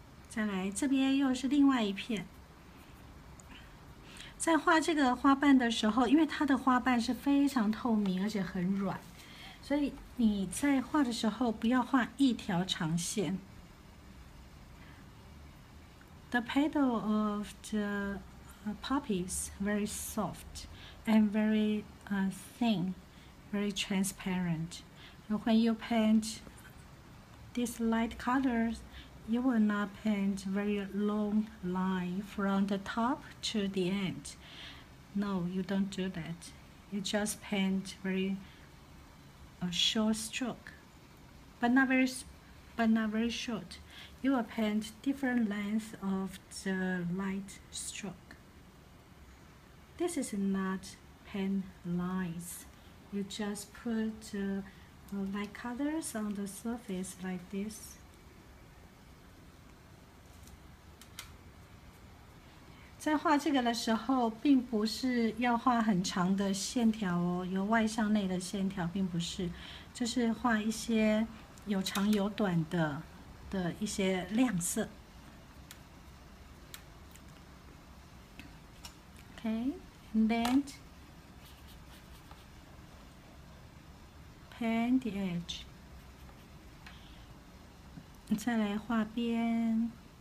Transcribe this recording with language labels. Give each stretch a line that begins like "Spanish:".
Chinese: 再来，这边又是另外一片。在画这个花瓣的时候，因为它的花瓣是非常透明而且很软，所以你在画的时候不要画一条长线。
English: The petal of the poppy is very soft and very thin, very transparent. When you paint this light color, you will not paint very long line from the top to the end. No, you don't do that. You just paint very short stroke, but not very short. You will paint different length of the light stroke. This is not paint lines. You just put light colors on the surface like this. When
Chinese: 画这个的时候，并不是要画很长的线条哦，由外向内的线条，并不是，就是画一些有长有短的。的一些亮色
English: OK, and then paint the edge
Chinese: 再来画边